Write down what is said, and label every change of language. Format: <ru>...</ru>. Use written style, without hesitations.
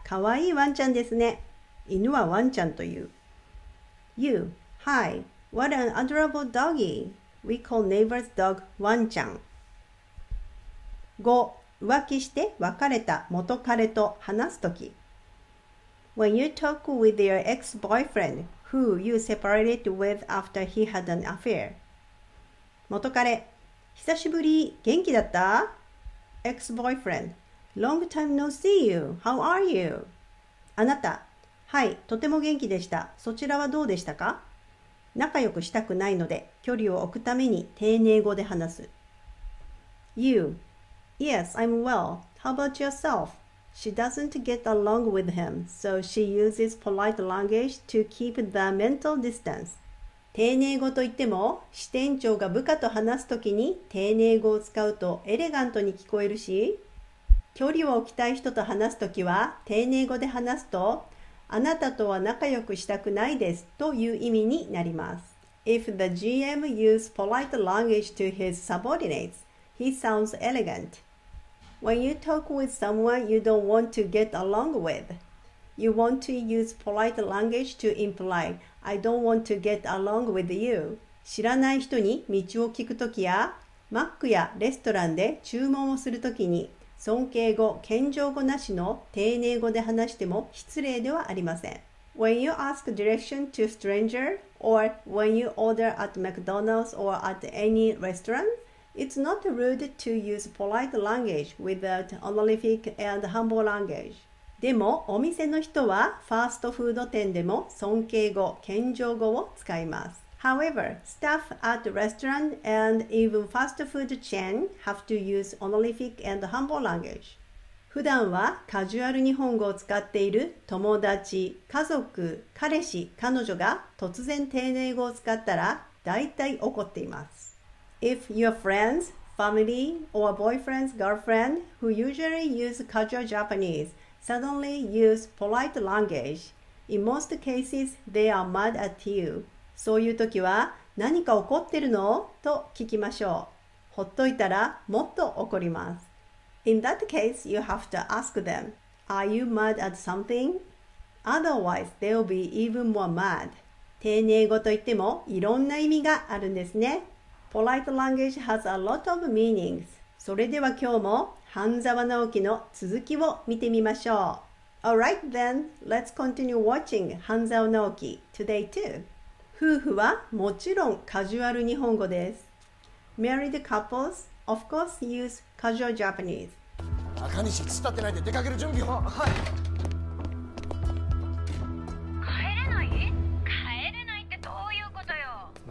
<ja>かわいいワンちゃんですね。犬はワンちゃんという。</ja> <en>You, hi, what an adorable doggy. We call neighbor's dog ワンちゃん。5.</en> <ja>浮気して別れた元彼と話すとき。</ja> <en>When you talk with your ex-boyfriend, who you separated with after he had an affair.</en> <ja>元彼、久しぶり、元気だった？</ja> <en>Ex-boyfriend. Long time no see you. How are you?</en> <ja>あなた、はい、とても元気でした。そちらはどうでしたか？仲良くしたくないので、距離を置くために丁寧語で話す。</ja> <en>You. Yes, I'm well. How about yourself? She doesn't get along with him, so she uses polite language to keep the mental distance.</en> <ja>丁寧語といっても、支店長が部下と話すときに丁寧語を使うとエレガントに聞こえるし、距離を置きたい人と話すときは、丁寧語で話すと、あなたとは仲良くしたくないですという意味になります。</ja> <en>If the GM uses polite language to his subordinates, he sounds elegant. When you talk with someone you don't want to get along with, you want to use polite language to imply, I don't want to get along with you.</en> <ja>知らない人に道を聞くときや、マックやレストランで注文をするときに、尊敬語、謙譲語なしの丁寧語で話しても失礼ではありません。</ja> <en>When you ask direction to stranger or when you order at McDonald's or at any restaurant, it's not rude to use polite language without honorific and humble language.</en> <ja>でもお店の人はファーストフード店でも尊敬語、謙譲語を使います。</ja> <en>However, staff at the restaurant and even fast food chain have to use honorific and humble language.</en> <ja>普段はカジュアル日本語を使っている友達、家族、彼氏、彼女が突然丁寧語を使ったら大体怒っています。</ja> <en>If your friends, family, or boyfriend's girlfriend who usually use casual Japanese suddenly use polite language, in most cases they are mad at you.</en> <ja>そういう時は、何か怒ってるの？と聞きましょう。ほっといたら、もっと怒ります。</ja> <en>In that case, you have to ask them, Are you mad at something? Otherwise, they'll be even more mad.</en> <ja>丁寧語といっても、いろんな意味があるんですね。</ja> <en>Polite language has a lot of meanings.</en> <ja>それでは今日も、半沢直樹の続きを見てみましょう。</ja> <en>Alright then, let's continue watching 半沢直樹 today too.</en> <ja>夫婦はもちろんカジュアル日本語です。</ja> <en>Married couples, of course, use casual Japanese.</en> <ja>中西、突っ立ってないで出かける準備を。はい。帰れない？帰れないってどういうことよ。</ja>